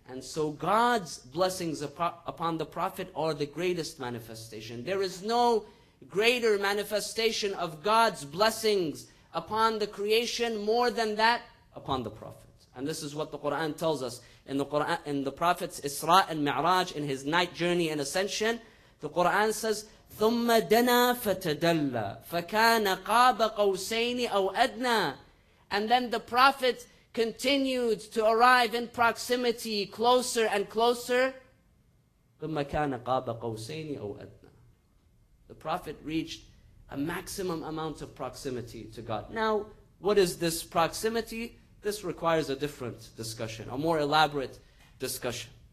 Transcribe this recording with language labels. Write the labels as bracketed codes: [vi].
[en] And so God's blessings upon the Prophet are the greatest manifestation. There is no greater manifestation of God's blessings upon the creation more than that upon the Prophet. And this is what the Quran tells us in the Quran, in the Prophet's Isra and Mi'raj, in his night journey and ascension. The Quran says, [ar] ثُمَّ دَنَا فَتَدَلَّ فَكَانَ قَابَ قَوْسَيْنِ أَوْ أَدْنَى. [en] And then the Prophet continued to arrive in proximity closer and closer. [ar] ثُمَّ كَانَ قَابَ قَوْسَيْنِ أَوْ أَدْنَى. [en] The Prophet reached a maximum amount of proximity to God. Now, what is this proximity? This requires a different discussion, a more elaborate discussion.